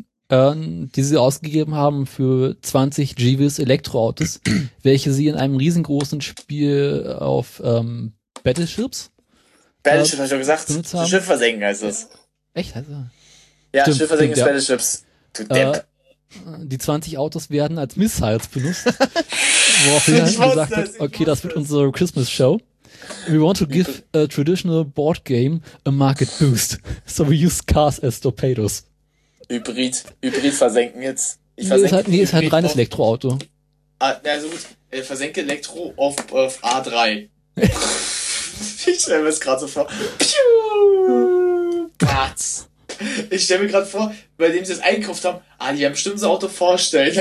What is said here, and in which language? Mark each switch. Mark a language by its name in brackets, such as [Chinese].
[German] Die sie ausgegeben haben für 20 GVs Elektroautos, welche sie in einem riesengroßen Spiel auf Battleships, hab ich schon gesagt. Schiff versenken heißt das. Echt? Also, ja, stimmt, Schiff versenken ist ja. Battleships. Die 20 Autos werden als Missiles benutzt. Woraufhin er gesagt hat, okay, das wird unsere Christmas Show. [English] We want to give a traditional board game a market boost. So we use cars as torpedoes. [German] Hybrid versenken jetzt. Ist halt ein reines Elektroauto. Na, so gut. Versenke Elektro auf A3. Ich stelle mir das gerade so vor. Piu! Bats! Ich stelle mir gerade vor, bei dem sie das eingekauft haben, die haben bestimmt so ein Auto vorstellen.